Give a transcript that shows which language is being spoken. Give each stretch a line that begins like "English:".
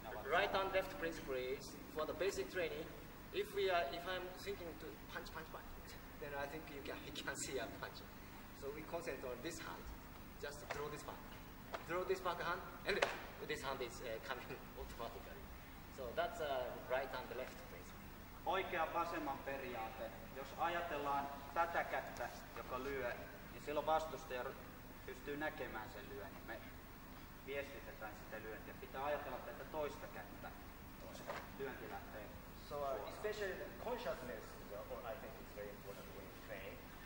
English: Right and left principle is for the basic training. If we are, if I'm thinking to punch, punch, punch, then I think you can see a punch. So we concentrate on this hand, just throw this back. Throw this back hand, and this hand is coming automatically. So that's a right and left principle.
Finnish: Oikea vasemman periaate. Jos ajatellaan tätä kättä, joka lyö, niin silloin vastustaja pystyy näkemään sen lyön. Niin me viestitetään sitä lyöntiä. Pitää ajatella tätä toista kättä, koska lyönti lähtee.
English: So especially the consciousness, I think it's very important when you train.